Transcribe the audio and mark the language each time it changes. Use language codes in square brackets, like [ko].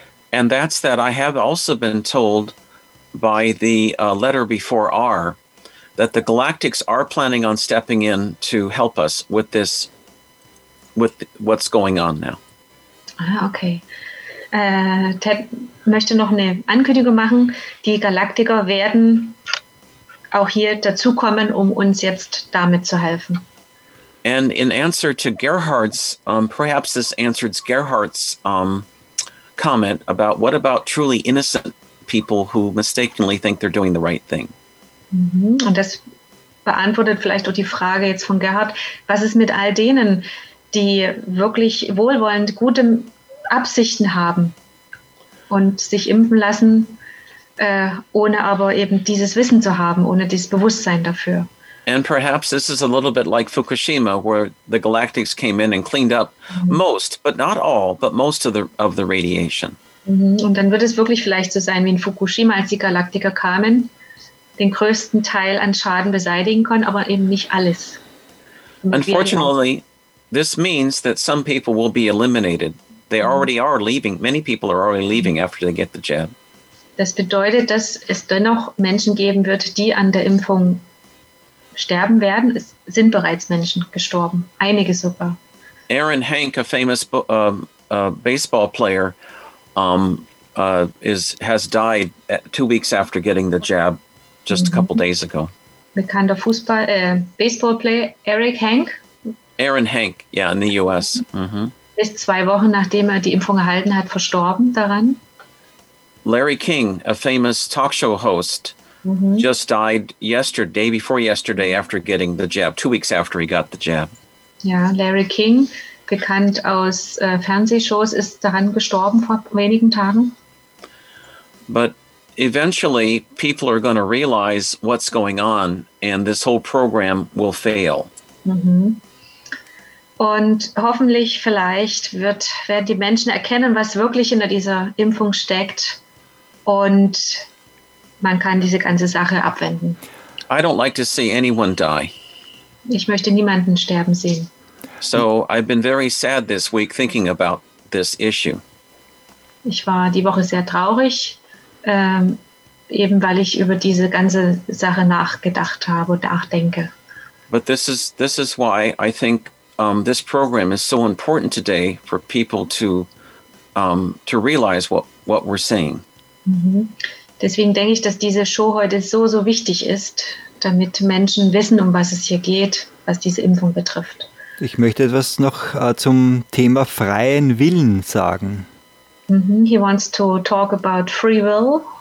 [en] And that's that I have also been told by the letter before R that the Galactics are planning on stepping in to help us with this, with what's going on now. [de] Okay. Ted möchte noch eine Ankündigung machen. Die Galaktiker werden auch hier dazukommen, um uns jetzt damit zu helfen. [en] And in answer to Gerhard's, perhaps this answers Gerhard's comment about what about truly innocent people who mistakenly think they're doing the right thing. Mm-hmm. [de] Und das beantwortet vielleicht auch die Frage jetzt von Gerhard, was ist mit all denen, die wirklich wohlwollend gute Absichten haben und sich impfen lassen, ohne aber eben dieses Wissen zu haben, ohne dieses Bewusstsein dafür. [en] And perhaps this is a little bit like Fukushima, where the Galactics came in and cleaned up most, but not all, but most of the radiation. [de] Und dann wird es wirklich vielleicht so sein wie in Fukushima, als die Galaktiker kamen, den größten Teil an Schaden beseitigen konnten, aber eben nicht alles. [en] Unfortunately, this means that some people will be eliminated. They already are leaving. Many people are already leaving after they get the jab. [de] Das bedeutet, dass es dennoch Menschen geben wird, die an der Impfung sterben werden. Es sind bereits Menschen gestorben, einige sogar. [en] Aaron Hank, a famous baseball player, has died 2 weeks after getting the jab, just a couple days ago. [de] Bekannter Fußball, [en] Baseball Player [de] Eric Hank. [en] Aaron Hank, yeah, in the U.S. [de] Ist 2 Wochen nachdem er die Impfung erhalten hat verstorben daran. [en] Larry King, a famous talk show host. Just died day before yesterday after getting the jab, 2 weeks after he got the jab. [de] Ja, Larry King, bekannt aus Fernsehshows, ist daran gestorben vor wenigen Tagen. [en] But eventually people are going to realize what's going on and this whole program will fail. [de] Und hoffentlich vielleicht werden die Menschen erkennen, was wirklich hinter dieser Impfung steckt und man kann diese ganze Sache abwenden. [en] I don't like to see anyone die. [de] Ich möchte niemanden sterben sehen. [en] So I've been very sad this week thinking about this issue. [de] Ich war die Woche sehr traurig, eben weil ich über diese ganze Sache nachgedacht habe und nachdenke. [en] But this is why I think this program is so important today for people to realize what we're saying. [de] Deswegen denke ich, dass diese Show heute so, so wichtig ist, damit Menschen wissen, um was es hier geht, was diese Impfung betrifft. Ich möchte etwas noch zum Thema freien Willen sagen. [en] He wants to talk about free will.